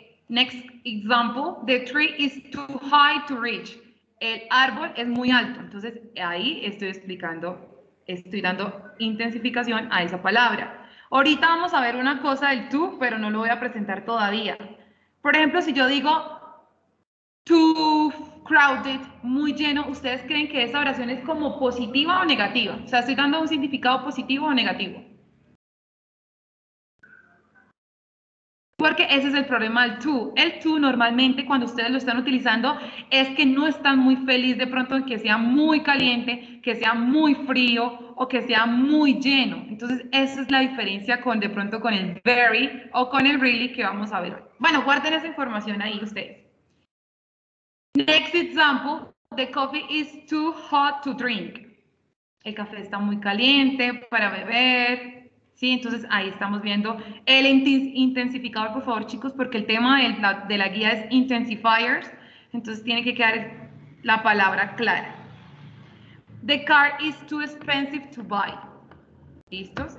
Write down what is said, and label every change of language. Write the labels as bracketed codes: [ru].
[en] Next example, the tree is too high to reach. [es] El árbol es muy alto, entonces ahí estoy explicando, estoy dando intensificación a esa palabra. Ahorita vamos a ver una cosa del to, pero no lo voy a presentar todavía. Por ejemplo, si yo digo [en] too crowded, [es] muy lleno, ¿ustedes creen que esa oración es como positiva o negativa? O sea, ¿estoy dando un significado positivo o negativo? Porque ese es el problema del to. El to normalmente cuando ustedes lo están utilizando es que no están muy feliz de pronto que sea muy caliente, que sea muy frío o que sea muy lleno. Entonces esa es la diferencia con de pronto con el very o con el really que vamos a ver hoy. Bueno, guarden esa información ahí ustedes. [en] Next example, the coffee is too hot to drink. [es] El café está muy caliente para beber. Sí, entonces ahí estamos viendo el intensificador, por favor, chicos, porque el tema de la guía es intensifiers, entonces tiene que quedar la palabra clara. [en] The car is too expensive to buy. [es] ¿Listos?